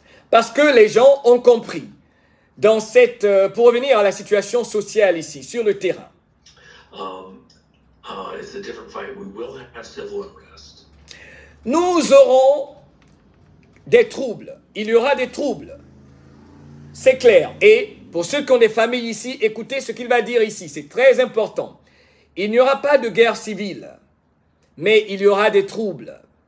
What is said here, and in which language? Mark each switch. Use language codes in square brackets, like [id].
[fr] Parce que les gens ont compris. Dans cette, pour revenir à la situation sociale ici, sur le terrain. [en] It's a different fight. We will have civil unrest. [fr] Nous aurons des troubles. Il y aura des troubles. C'est clair. Et pour ceux qui ont des familles ici, écoutez ce qu'il va dire ici. C'est très important. Il n'y aura pas de guerre civile, mais il y aura des troubles.